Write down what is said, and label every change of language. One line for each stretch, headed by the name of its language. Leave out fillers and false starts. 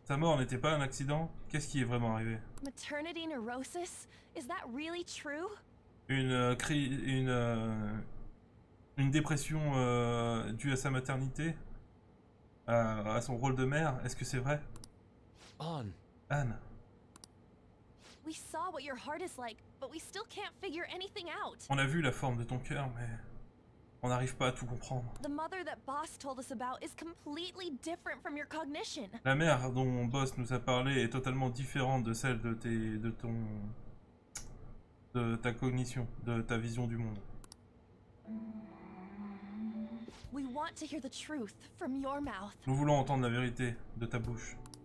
French: Sa mort n'était pas un accident? Qu'est-ce qui est vraiment arrivé?
English: Maternity neurosis? Is that really true?
French: Une dépression due à sa maternité, à son rôle de mère. Est-ce que c'est vrai? Anne.
English: We saw what your heart is like, but we still can't figure anything out.
French: On a vu la forme de ton cœur, mais on n'arrive pas à tout comprendre.
English: The mother that Boss told us about is completely different from your cognition.
French: La mère dont Boss nous a parlé est totalement différente de celle de ta cognition, de ta vision du monde.
English: We want to hear the truth from your mouth.
French: Nous voulons entendre la vérité de ta bouche.